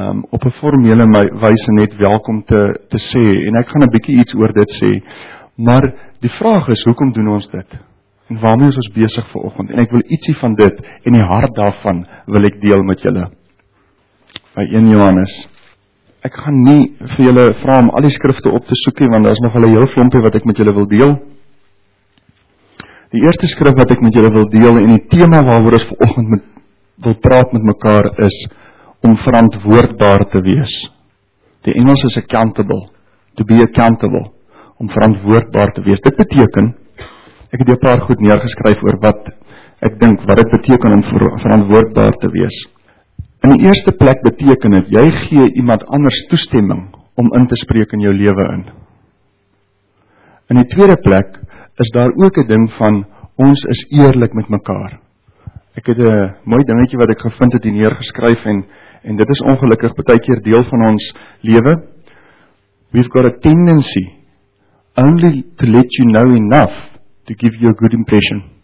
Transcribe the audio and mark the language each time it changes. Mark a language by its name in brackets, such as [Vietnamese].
[Afrikaans] op 'n formele wyse net welkom te sê, en ek gaan 'n bietjie iets oor dit sê, maar die vraag is, hoekom doen ons dit? En waarmee is ons besig vanoggend? En ek wil ietsie van dit, en die hart daarvan, wil ek deel met julle. By 1 Johannes. Ek gaan nie vir julle vra om al die skrifte op te soek, want daar is nog hulle heel vlompie wat ek met julle wil deel. Die eerste skrif wat ek met julle wil deel, en die tema waarover ons vanoggend wil praat met mekaar is, om verantwoordbaar te wees. Die Engels is accountable. [English] To be accountable. [Afrikaans] Om verantwoordbaar te wees. Dit beteken, ek het hier 'n paar goed neergeskryf oor wat ek dink, wat dit beteken om verantwoordbaar te wees. In die eerste plek beteken het, jy gee iemand anders toestemming om in te spreek in jou lewe in. In die tweede plek is daar ook 'n ding van, ons is eerlik met mekaar. Ek het 'n mooi dingetje wat ek gevind het hier neergeskryf en dit is ongelukkig baie keer deel van ons lewe. [English] We've got a tendency only to let you know enough to give you a good impression.